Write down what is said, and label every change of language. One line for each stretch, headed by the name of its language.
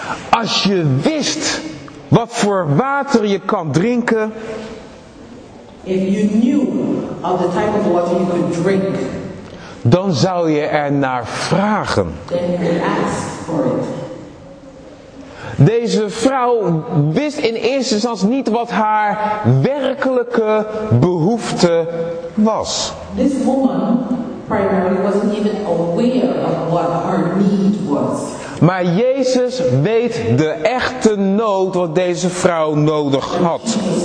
Dutch: Als je wist wat voor water je kan drinken.
English: If you knew of the type of water you could drink,
Dutch: dan zou je er naar vragen.
English: Then you could ask for it.
Dutch: Deze vrouw wist in eerste instantie niet wat haar werkelijke behoefte was.
English: This woman primarily wasn't even aware of what her need was.
Dutch: Maar Jezus weet de echte nood wat deze vrouw nodig had.